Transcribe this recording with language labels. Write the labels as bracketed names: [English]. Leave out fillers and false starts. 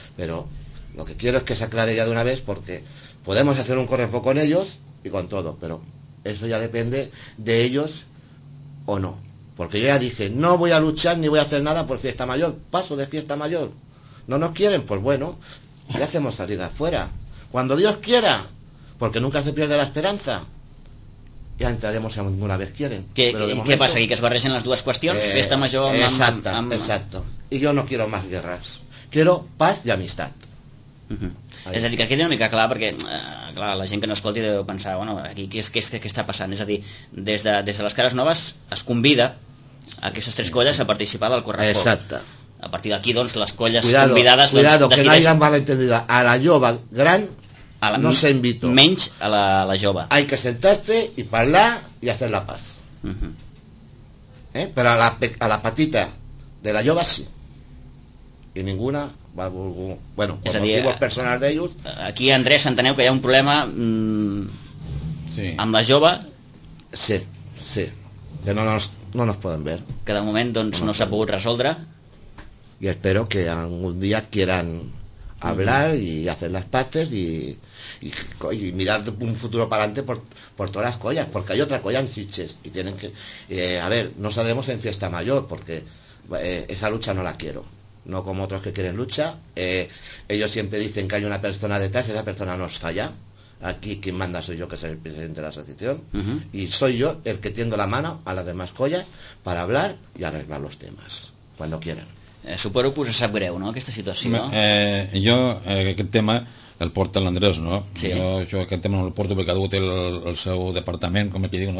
[Spanish] Pero lo que quiero es que se aclare ya de una vez, porque podemos hacer un correfo con ellos y con todo, pero eso ya depende de ellos o no. Porque yo ya dije, no voy a luchar ni voy a hacer nada por fiesta mayor, paso de fiesta mayor. ¿No nos quieren? Pues bueno, ya hacemos salida afuera. Cuando Dios quiera, porque nunca se pierde la esperanza. [Catalan] Ja entrarem [Spanish] si alguna vez quieren. [Catalan] Què passa aquí? Que es barregen les dues qüestions? Festa major amb... [Spanish] Exacto. Y yo no quiero más guerras. Quiero paz y amistad. [Catalan] És a dir, que quedi una mica clar, perquè clar, la gent que no escolti deu pensar, bueno, aquí què està passant? És a dir, des de les cares noves es convida a aquestes tres colles a participar del correfó. Exacte. A partir d'aquí, doncs, les colles convidades... [Spanish] Cuidado, [Catalan] doncs, decideix... [Spanish] que no hagan malentendido. A la jove gran... No se invito. [Catalan] Menys a la jove. [Spanish] Hay que sentarse y hablar y hacer la paz. Pero a la patita de la jove sí. Y ninguna va a... Bueno, por motivos personales de ellos. [Catalan] Aquí, Andrés, enteneu que hi ha un problema amb la jove. [Spanish] Sí. Que no nos poden ver. [Catalan] Que de moment doncs, no s'ha pogut resoldre. [Spanish] Y espero que algún día quieran hablar y hacer las paces y mirar un futuro para adelante por todas las collas, porque hay otra colla en Sitges y tienen que a ver, no sabemos en fiesta mayor, porque esa lucha no la quiero, no como otros que quieren lucha. Ellos siempre dicen que hay una persona detrás, esa persona no está allá. Aquí quien manda soy yo, que soy el presidente de la asociación, y soy yo el que tiendo la mano a las demás collas para hablar y arreglar los temas cuando quieran. [Catalan] Suposo que us sap greu, no?, aquesta situació. Aquest tema el porta l'Andrés, no? Sí. Jo aquest tema no el porto perquè cada un té el seu departament, com aquí diu, no?